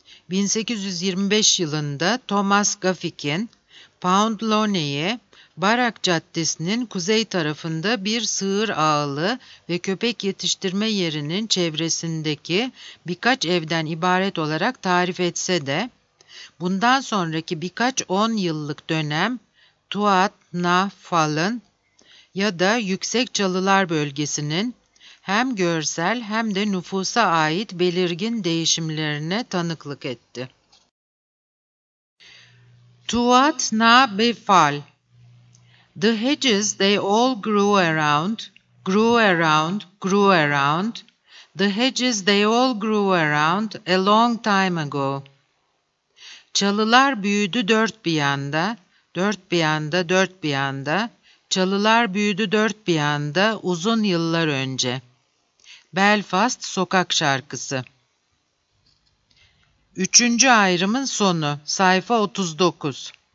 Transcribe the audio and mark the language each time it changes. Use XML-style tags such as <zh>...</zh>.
<tr>1825 yılında Thomas Guthrie'nin Pound Lonnie'ye Barak Caddesi'nin kuzey tarafında bir sığır ağılı ve köpek yetiştirme yerinin çevresindeki birkaç evden ibaret olarak tarif etse de, bundan sonraki birkaç on yıllık dönem Tuat Na Fallon ya da Yüksek Çalılar bölgesinin hem görsel hem de nüfusa ait belirgin değişimlerine tanıklık etti. Tuat Na Befal.</tr> <en>The hedges, they all grew around, grew around, grew around. The hedges, they all grew around a long time ago.</en> <tr>Çalılar büyüdü dört bir yanda, dört bir yanda, dört bir yanda. Çalılar büyüdü dört bir yanda uzun yıllar önce. Belfast Sokak Şarkısı. Üçüncü ayrımın sonu, sayfa 39.</tr>